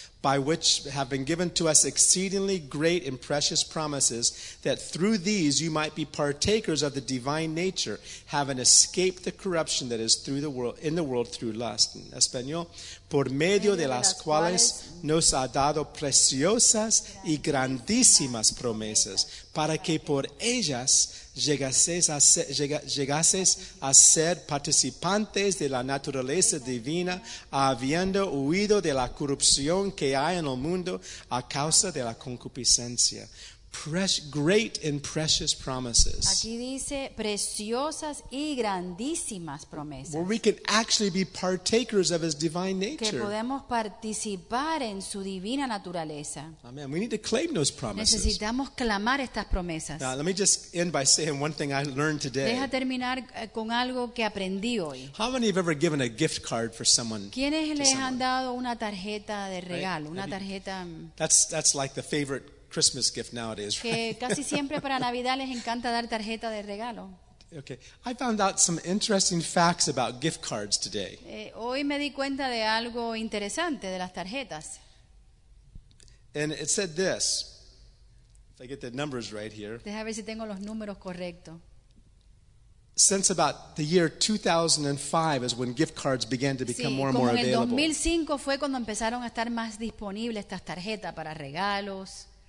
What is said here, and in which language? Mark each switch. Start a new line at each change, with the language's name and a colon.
English: By which have been given to us exceedingly great and precious promises, that through these you might be partakers of the divine nature, having escaped the corruption that is through the world, in the world through lust.
Spanish: En español. Por medio de las cuales nos ha dado preciosas y grandísimas promesas, para que por ellas llegases a ser participantes de la naturaleza divina, habiendo huido de la corrupción que hay en el mundo a causa de la concupiscencia.
English: Great and precious promises.
Spanish: Aquí dice preciosas y grandísimas promesas.
English: Where we can actually be partakers of his divine nature.
Spanish: Que podemos participar en su divina naturaleza.
English: Amen. We need to claim those promises.
Spanish: Necesitamos clamar estas promesas.
English: Now, let me just end by saying one thing I learned today.
Spanish: Deja terminar con algo que aprendí hoy.
English: How many have ever given a gift card for someone?
Spanish: ¿Quiénes les han dado una tarjeta de regalo, right? Una tarjeta?
English: That's like the favorite Christmas gift nowadays.
Spanish: Que casi siempre para Navidad les encanta dar tarjeta de regalo.
English: Okay, I found out some interesting facts about gift cards today.
Spanish: Hoy me di cuenta de algo interesante de las tarjetas.
English: And it said this. If I get the numbers right here.
Spanish: Deja ver si tengo los números correctos.
English: Since about the year 2005 is when gift cards began to become
Spanish: sí,
English: more and
Spanish: como
English: more available.
Spanish: En el 2005 fue cuando empezaron a estar más disponibles estas tarjetas para regalos.